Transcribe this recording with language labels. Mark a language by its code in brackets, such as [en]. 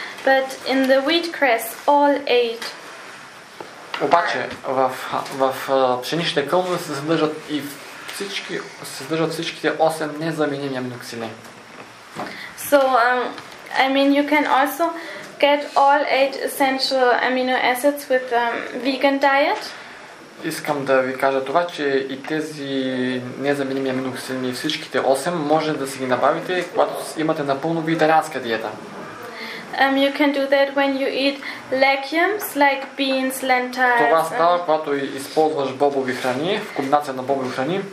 [en] But in the wheatgrass all eight. [bg] Обаче в пшеничните кълнове се съдържат и всички всичките 8 незаменими аминокиселини. [en] So I mean you can also get all eight essential amino acids with a vegan diet. [bg] Искам да ви кажа това, че и тези незаменими аминокиселини, всичките 8, може да си ги набавите, когато имате напълно вегетарианска диета. [en] You can do that when you eat legumes, like beans, lentils. [bg] Това става, когато използваш бобови храни, в комбинация на бобови храни.